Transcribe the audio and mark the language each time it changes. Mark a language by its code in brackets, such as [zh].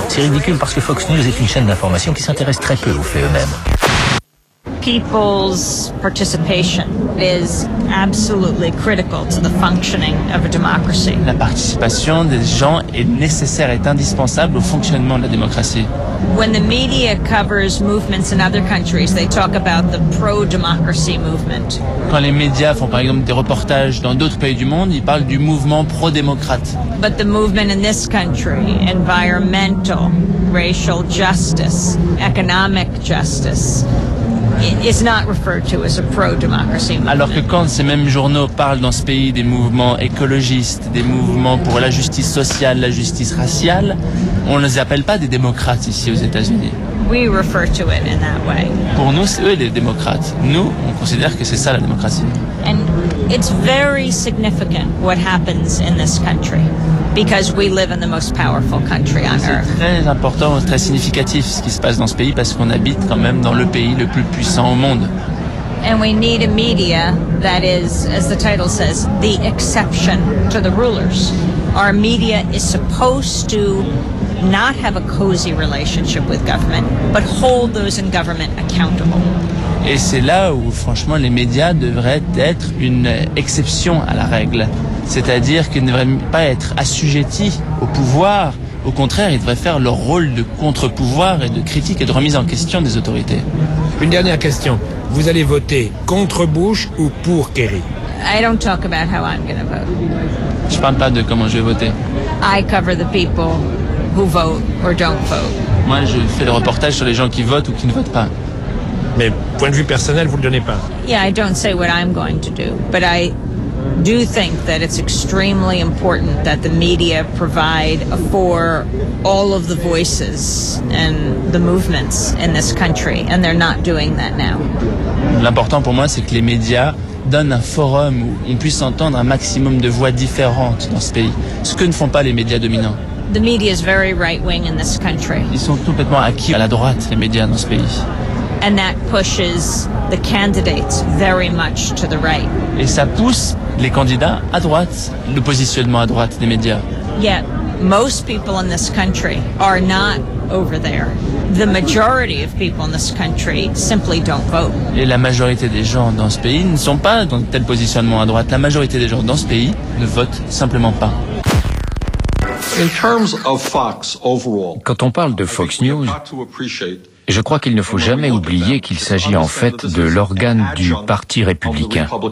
[fr] C'est ridicule parce que Fox News est une chaîne d'information qui s'intéresse très peu aux faits eux-mêmes. [en] People's participation is absolutely critical to the functioning of a democracy. [fr] La participation des gens est nécessaire, est indispensable au fonctionnement de la démocratie. [en] When the media covers movements in other countries, they talk about the pro-democracy movement. [fr] Quand les médias font par exemple des reportages dans d'autres pays du monde, ils parlent du mouvement pro-démocrate. [en] But the movement in this country, environmental, racial justice, economic justice, is not referred to as a pro-democracy movement. [fr] Alors que quand ces mêmes journaux parlent dans ce pays des mouvements écologistes, des mouvements pour la justice sociale, la justice raciale, on ne les appelle pas des démocrates ici aux États-Unis. [en] We refer to it in that way. [fr] Pour nous, c'est eux les démocrates. Nous, on considère que c'est ça la démocratie. [en] And it's very significant what happens in this country, because we live in the most powerful country on earth. [fr] C'est très important, très significatif ce qui se passe dans ce pays, parce qu'on habite quand même dans le pays le plus puissant au monde. [en] And we need a media that is, as the title says, the exception to the rulers. Our media is supposed to not have a cozy relationship with government, but hold those in government accountable. [fr] Et c'est là où, franchement, les médias devraient être une exception à la règle. C'est-à-dire qu'ils ne devraient pas être assujettis au pouvoir. Au contraire, ils devraient faire leur rôle de contre-pouvoir et de critique et de remise en question des autorités. Une dernière question. Vous allez voter contre Bush ou pour Kerry? [en] I don't talk about how I'm going to vote. [fr] Je ne parle pas de comment je vais voter. [en] I cover the people who vote or don't vote. [fr] Moi, je fais le reportage sur les gens qui votent ou qui ne votent pas. Mais point de vue personnel, vous ne le donnez pas. [en] Yeah, I don't say what I'm going to do, but I do think that it's extremely important that the media provide for all of the voices and the movements in this country, and they're not doing that now. [fr] L'important pour moi, c'est que les médias donnent un forum où on puisse entendre un maximum de voix différentes dans ce pays, ce que ne font pas les médias dominants. [en] The media is very right-wing in this country. [fr] Ils sont complètement acquis à la droite, les médias dans ce pays. [en] And that pushes the candidates very much to the right. [fr] Et ça pousse les candidats à droite, le positionnement à droite des médias. [en] Yet, most people in this country are not over there. The majority of people in this country simply don't vote. [fr] Et la majorité des gens dans ce pays ne sont pas dans tel positionnement à droite. La majorité des gens dans ce pays ne votent simplement pas. [en] In terms of Fox overall, [fr] quand on parle de Fox News, je crois qu'il ne faut jamais oublier qu'il s'agit en fait de l'organe du Parti républicain.